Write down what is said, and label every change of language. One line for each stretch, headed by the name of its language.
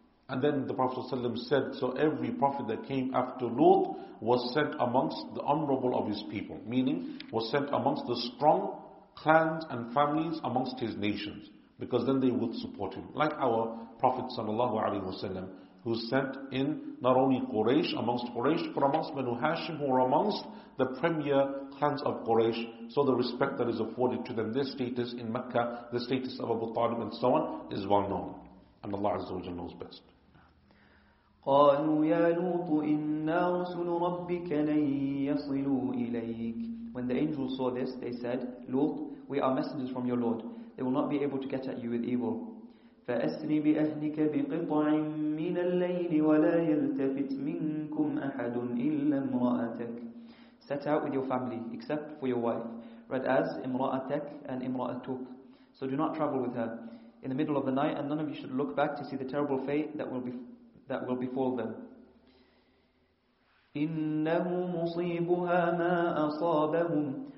English: And then the Prophet ﷺ said, so every prophet that came after Lut was sent amongst the honorable of his people, meaning was sent amongst the strong clans and families amongst his nations, because then they would support him. Like our Prophet ﷺ, who is sent in not only Quraysh, amongst Quraysh, but amongst Banu Hashim, who are amongst the premier clans of Quraysh. So the respect that is afforded to them, their status in Mecca, the status of Abu Talib and so on, is well known. And Allah Azza wa Jalla knows best.
Arabic: قالوا يا لوط إنا رسل ربك لن يصلوا إليك.
English: When the angels saw this, they said, Lut, we are messengers from your Lord. They will not be able to get at you with evil.
Arabic: فأسر بأهلك بقطع من الليل ولا يلتفت منكم أحد إلا امرأتك.
English: Set out with your family, except for your wife. Read as
Arabic: امرأتك
English: and
Arabic: امرأتك.
English: So do not travel with her in the middle of the night, and none of you should look back to see the terrible fate that will befall them.
Arabic: إِنَّهُ مُصِيبُهَا مَا أَصَابَهُمْ.